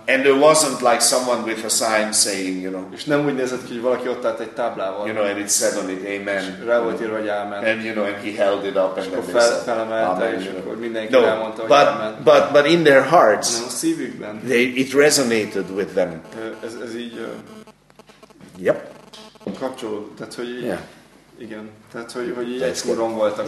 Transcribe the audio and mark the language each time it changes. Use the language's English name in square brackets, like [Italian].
[English] And there wasn't like someone with a sign saying, you know. [Hungarian] És nem úgy nézett ki, hogy valaki ott állt egy táblával. [English] You know, and it said on it, Amen. [Hungarian] Rá volt írva, hogy Amen. [English] And you know, and he held it up. [Hungarian] És [English] and [Hungarian] akkor felemelte, és akkor mindenki no, elmondta, hogy [English] but, [Hungarian] Amen. [English] But in their hearts, [Hungarian] a szívükben, [English] it resonated with them. [Hungarian] Ez így [English] yep. [Hungarian] Kapcsolódott. Tehát, hogy így, yeah. Igen, tehát hogy egy húron voltak.